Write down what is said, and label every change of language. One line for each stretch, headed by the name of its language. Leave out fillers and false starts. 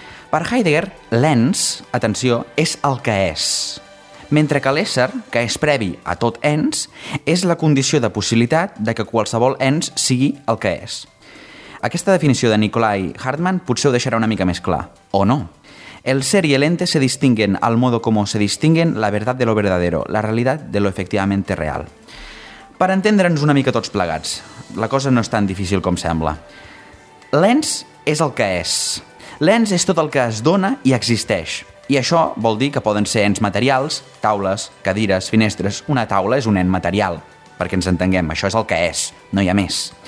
Catalan: Per Heidegger, l'ens, atenció, és el que és. Mentre que l'ésser, que és previ a tot ens, és la condició de possibilitat de que qualsevol ens sigui el que és. Aquesta definició de Nicolai Hartmann potser ho deixarà una mica més clar. O no.
Spanish: El ser y el ente se distinguen al modo como se distinguen la verdad de lo verdadero, la realidad de lo efectivamente real.
Catalan: Per entendre'ns una mica tots plegats, la cosa no és tan difícil com sembla. L'ens és el que és. L'ens és tot el que es dona i existeix. I això vol dir que poden ser ens materials, taules, cadires, finestres... Una taula és un ent material, perquè ens entenguem, això és el que és, no hi ha més.